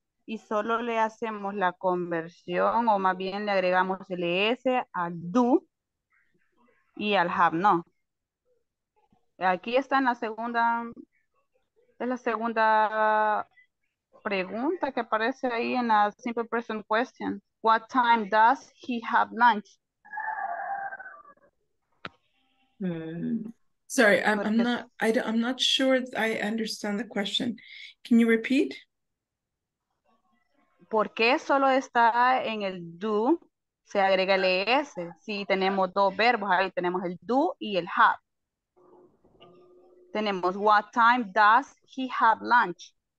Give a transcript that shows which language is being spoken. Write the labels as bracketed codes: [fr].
[es] Y solo le hacemos la conversión, o más bien le agregamos el S al do y al have, no. Aquí está en la segunda pregunta que aparece ahí en la simple present question. [en] What time does he have lunch? Sorry, I'm not sure I understand the question. Can you repeat? [es] ¿Por qué solo está en el do, se agrega el es? Si tenemos dos verbos, ahí tenemos el do y el have. Tenemos, [en] what time does he have lunch?